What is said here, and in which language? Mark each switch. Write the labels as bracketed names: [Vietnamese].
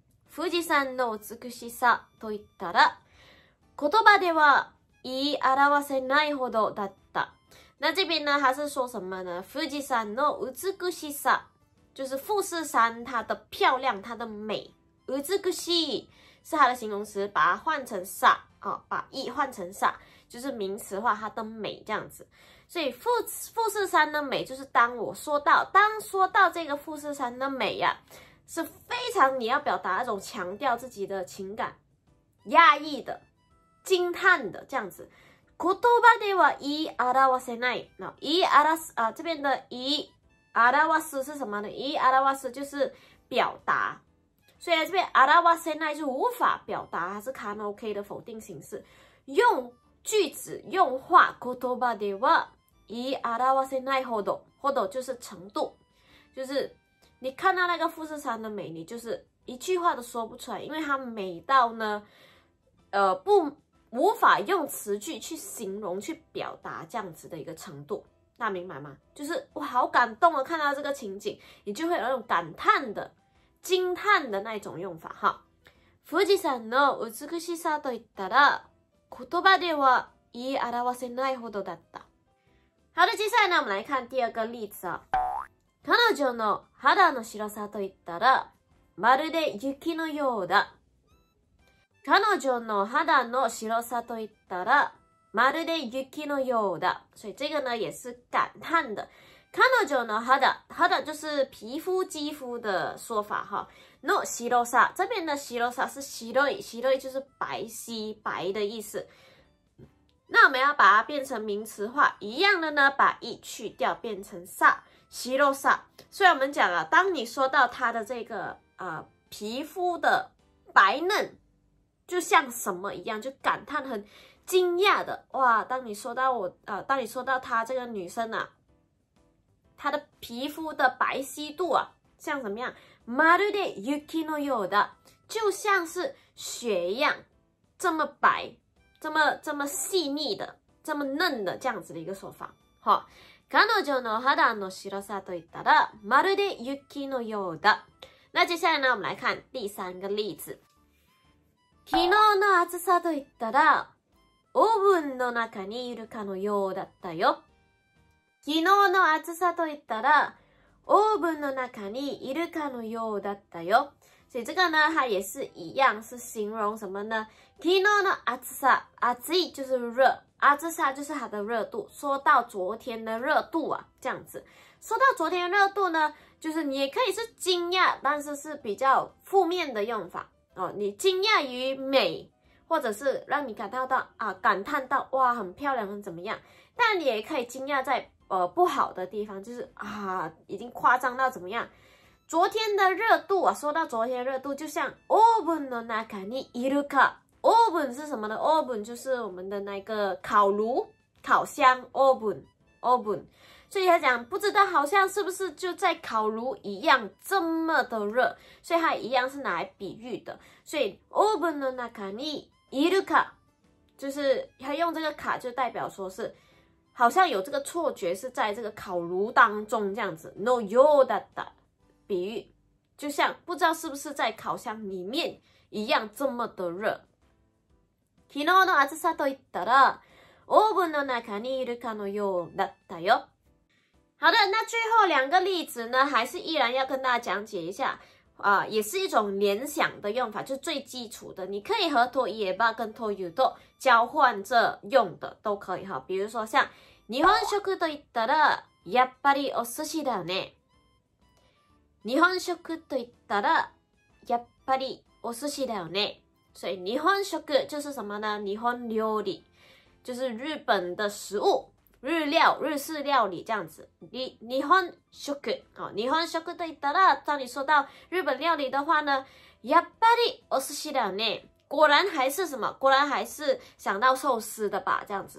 [Japanese] 富士山の美しさといったら言葉では言い表せないほどだった。 [Chinese] 那这边呢它是说什么呢， [Japanese] 富士山の美しさ [Chinese] 就是富士山它的漂亮它的美，美しい是它的形容词，把它换成さ把意换成さ就是名词化它的美，这样子。所以富士山的美就是当我说到，当说到这个富士山的美呀，是非常你要表达那种强调自己的情感压抑的惊叹的，这样子。 [Japanese] 言葉では言い表せない。 [Chinese] 这边的言い表す是什么呢？言い表す就是表达。所以这边表せない就无法表达，它是カノK的否定形式。用句子用话， [Japanese] 言葉では言い表せないほど。 [Chinese] ほど就是程度。就是你看到那个富士山的美，你就是一句话都说不出来，因为它美到呢不无法用词句去形容去表达，这样子的一个程度，那明白吗？就是我好感动哦，看到这个情景你就会有那种感叹的惊叹的那种用法哈。 [Japanese] 富士山の美しさといったら言葉では言い表せないほどだった。 [Chinese] 好的，接下来呢我们来看第二个例子 [Japanese] 彼女の肌の白さといったらまるで雪のようだ。彼女の肌の白さといったらまるで雪のようだ。 [Chinese] 所以这个呢也是感叹的。 [Japanese] 彼女の肌， [Chinese] 肌就是皮肤肌肤的说法哈。の白さ，这边的白さ是白い，白い就是白皙白的意思。那我们要把它变成名词化，一样的呢，把 e 去掉，变成 sa， 皮肉 sa。所以我们讲啊，当你说到它的这个皮肤的白嫩，就像什么一样，就感叹很惊讶的哇！当你说到我当你说到她这个女生啊，她的皮肤的白皙度啊，像什么样？ [Japanese] まるで雪のようだ， [Chinese] 就像是雪一样，这么白，这么细腻的，这么嫩的这样子的一个说法。 [Japanese] 好，彼女の肌の白さといったらまるで雪のようだ。 [Chinese] 那接下来呢，我们来看第三个例子。 [Japanese] 昨日の暑さといったら、オーブンの中にいるかのようだったよ。昨日の暑さといったら、オーブンの中にいるかのようだったよ。 [Chinese] 所以这个呢，它也是一样，是形容什么呢？昨日の暑さ，暑い就是热，暑さ就是它的热度。说到昨天的热度啊，这样子。说到昨天的热度呢，就是你也可以是惊讶，但是是比较负面的用法。哦，你惊讶于美，或者是让你感到到啊感叹到哇很漂亮很怎么样，但你也可以惊讶在不好的地方，就是啊已经夸张到怎么样。昨天的热度啊，说到昨天的热度，就像 [Japanese] oven の中にいるか。 [Chinese] oven 是什么呢？ oven 就是我们的那个烤炉烤箱 oven， 所以他讲不知道好像是不是就在烤炉一样这么的热，所以他一样是拿来比喻的。所以 [Japanese] oven の中にいるか， [Chinese] 就是他用这个卡就代表说是好像有这个错觉是在这个烤炉当中这样子。 no you だった， 比喻就像不知道是不是在烤箱里面一样这么的热。 [Japanese] 昨日の暑さといったらオーブンの中にいるかのようだったよ。 [Chinese] 好的，那最后两个例子呢，还是依然要跟大家讲解一下啊，也是一种联想的用法，就是最基础的，你可以和と言えば跟と言うと交换着用的都可以哈。 [Japanese] 比如说像日本食と言ったらやっぱりお寿司だね。日本食と言ったらやっぱりお寿司だよね。 [Chinese] 所以日本食就是什么呢？日本料理。就是日本的食物，日料，日式料理这样子。日本食、哦、日本食と言ったら，当你说到日本料理的话呢， [Japanese] やっぱりお寿司だね， [Chinese] 果然还是什么，果然还是想到寿司的吧，这样子。